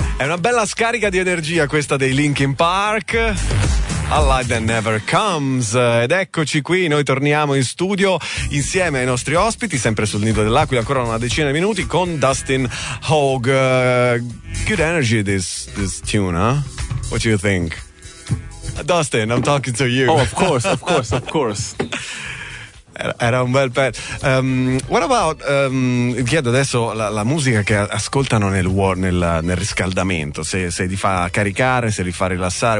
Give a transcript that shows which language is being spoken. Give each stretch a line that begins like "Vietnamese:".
Italian: Una bella scarica di energia questa dei Linkin Park. A Light That Never Comes. Ed eccoci qui, noi torniamo in studio insieme ai nostri ospiti, sempre sul nido dell'aquila, ancora una decina di minuti, con Dustin Hoag.
English: Good energy this tune, huh? What do you think? Dustin, I'm talking to you. Oh, of course, of course, of course.
Italian: Era un bel pet.
English: What about,
Italian: chiedo adesso la musica che ascoltano nel riscaldamento, se li fa caricare, se li fa rilassare.